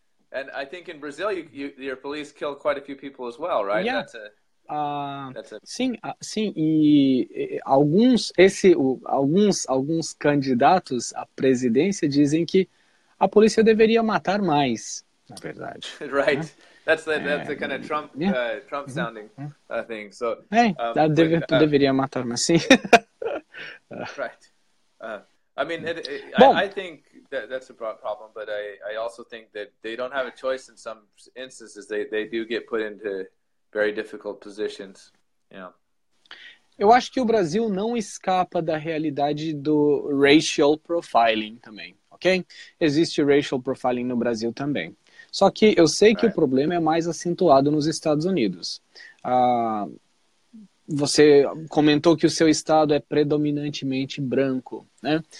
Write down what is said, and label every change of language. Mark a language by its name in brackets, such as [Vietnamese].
[English] And I think in Brazil, your police kill quite a few people as well, right? Yeah. [Portuguese] Alguns candidatos à presidência dizem que a polícia deveria matar mais, na verdade. [English] Right. Né? That's the kind of Trump Trump sounding thing. So [Portuguese] deveria matar, mas sim. [English] Right. I mean, I think that's a problem, but I also think that they don't have a choice in some instances. They do get put into very difficult positions. Yeah. [Portuguese] Eu acho que o Brasil não escapa da realidade do racial profiling também, ok? Existe racial profiling no Brasil também. Só que eu sei que o problema é mais acentuado nos Estados Unidos. Você comentou que o seu estado é predominantemente branco, né?